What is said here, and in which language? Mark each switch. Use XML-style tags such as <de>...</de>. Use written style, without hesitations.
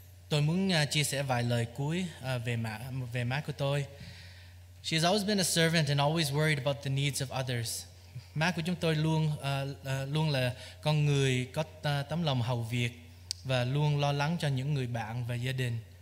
<vi>Tôi muốn chia sẻ vài lời cuối về má của tôi.</vi> <en>She has always been a servant and always worried about the needs of others.</en> <vi>Má của chúng tôi luôn là con người có tấm lòng hầu việc và luôn lo lắng cho những người bạn và gia đình.</vi>